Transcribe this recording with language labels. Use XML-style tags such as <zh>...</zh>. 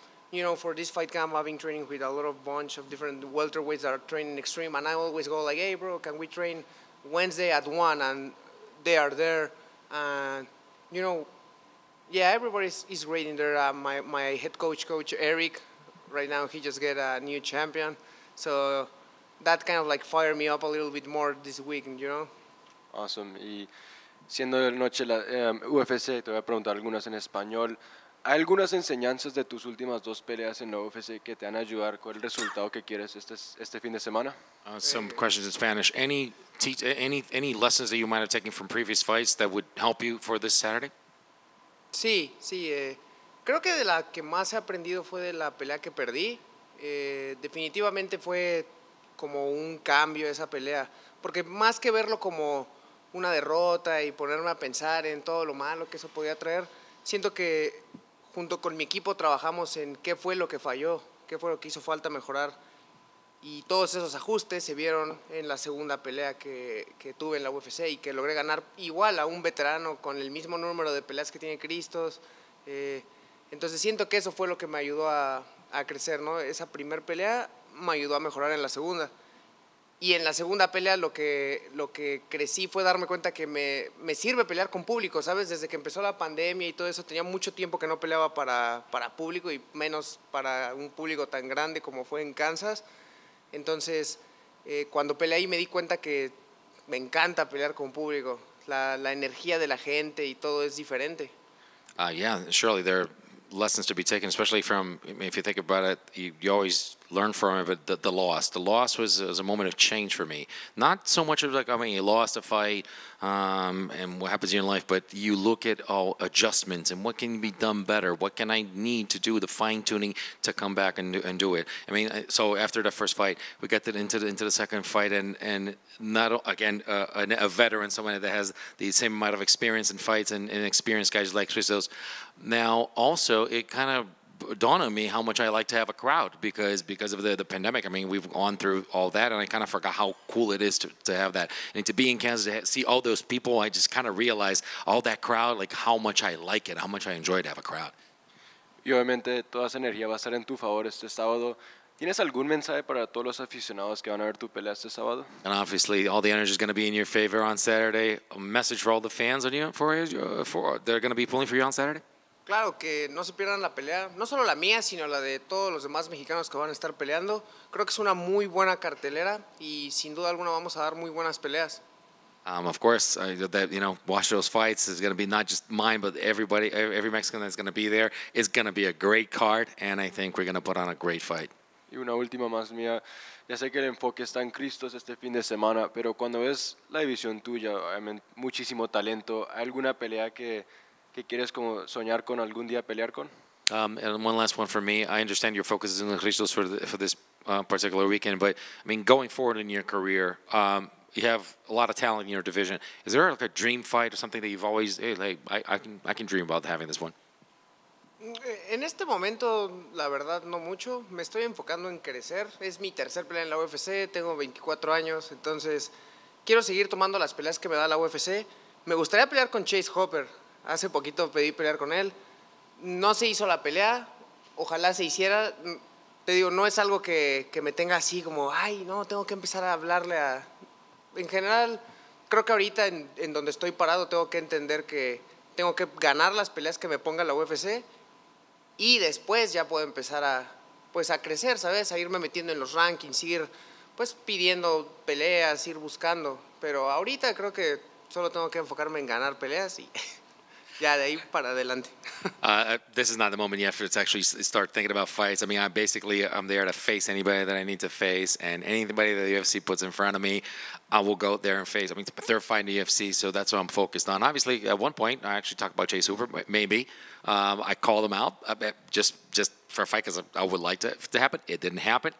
<en>You know, for this fight camp, I've been training with a lot of bunch of different welterweights that are training Extreme, and I always go like, hey, bro, can we train Wednesday at 1? And they are there, and, you know, yeah, everybody is great in there. My head coach, Coach Eric, right now he just got a new champion. So that kind of like fired me up a little bit more this week, you know? Awesome.</en> <es>Y siendo de noche la UFC, te voy a preguntar algunas en español. ¿Hay algunas enseñanzas de tus últimas dos peleas en la UFC que te han ayudado con el resultado que quieres este fin de semana?</es> <en>Some questions in Spanish. Any lessons that you might have taken from previous fights that would help you for this Saturday?</en> <es>Sí. Creo que de la que más he aprendido fue de la pelea que perdí. Definitivamente fue como un cambio esa pelea. Porque más que verlo como una derrota y ponerme a pensar en todo lo malo que eso podía traer, siento que junto con mi equipo trabajamos en qué fue lo que falló, qué fue lo que hizo falta mejorar. Y todos esos ajustes se vieron en la segunda pelea que tuve en la UFC y que logré ganar igual a un veterano con el mismo número de peleas que tiene Christos. Entonces siento que eso fue lo que me ayudó a crecer, ¿no? Esa primer pelea me ayudó a mejorar en la segunda. Y en la segunda pelea lo que crecí fue darme cuenta que me sirve pelear con público, ¿sabes? Desde que empezó la pandemia y todo eso, tenía mucho tiempo que no peleaba para público y menos para un público tan grande como fue en Kansas. Entonces, cuando peleé ahí me di cuenta que me encanta pelear con público. La energía de la gente y todo es diferente.</es> <en>Yeah, surely there are lessons to be taken, especially from, if you think about it, you always learn from it, but the loss. The loss was a moment of change for me. Not so much of like, I mean, you lost a fight and what happens in your life, but you look at all adjustments and what can be done better. What can I need to do, the fine-tuning, to come back and do it? I mean, so after the first fight, we got into the second fight, and not, again, a veteran, someone that has the same amount of experience in fights and experienced guys like Christos. Now, also, it kind of dawn on me how much I like to have a crowd because of the pandemic. I mean, we've gone through all that, and I kind of forgot how cool it is to have that. And to be in Kansas, to see all those people, I just kind of realized all that crowd, like how much I like it, how much I enjoy to have a crowd.</en> <es>Y obviamente toda esa energía va a estar en tu favor este sábado. ¿Tienes algún mensaje para todos los aficionados que van a ver tu pelea este sábado?</es> <en>And obviously, all the energy is going to be in your favor on Saturday. A message for all the fans on you, for they're going to be pulling for you on Saturday.</en> <es>Claro que no se pierdan la pelea, no solo la mía, sino la de todos los demás mexicanos que van a estar peleando. Creo que es una muy buena cartelera y sin duda alguna vamos a dar muy buenas peleas.</es> <en>Of course, watch those fights. It's going to be not just mine, but everybody, every Mexican that's going to be there. It's going to be a great card, and I think we're going to put on a great fight.</en> <es>Y una última más mía. Ya sé que el enfoque está en Christos este fin de semana, pero cuando ves la división tuya, muchísimo talento, ¿hay alguna pelea que quieres como soñar con algún día pelear con?</es> <en>And one last one for me. I understand your focus is on Christos for this particular weekend, but I mean, going forward in your career, you have a lot of talent in your division. Is there like a dream fight or something that you've always, I can dream about having this one?</en> <es>En este momento, la verdad, no mucho. Me estoy enfocando en crecer. Es mi tercer pelea en la UFC. Tengo 24 años. Entonces, quiero seguir tomando las peleas que me da la UFC. Me gustaría pelear con Chase Hopper. Hace poquito pedí pelear con él. No se hizo la pelea. Ojalá se hiciera. Te digo, no es algo que me tenga así como, ay, no, tengo que empezar a hablarle a... En general, creo que ahorita en donde estoy parado tengo que entender que tengo que ganar las peleas que me ponga la UFC y después ya puedo empezar a crecer, ¿sabes? A irme metiendo en los rankings, ir pues pidiendo peleas, ir buscando. Pero ahorita creo que solo tengo que enfocarme en ganar peleas y... Yeah, de ahí para adelante.</es> <en>This is not the moment yet for to actually start thinking about fights. I mean, I'm there to face anybody that I need to face, and anybody that the UFC puts in front of me, I will go out there and face. I mean, it's my third fight in the UFC, so that's what I'm focused on. Obviously, at one point, I actually talked about Chase Hoover, maybe. I called him out just for a fight because I would like to happen. It didn't happen.</en>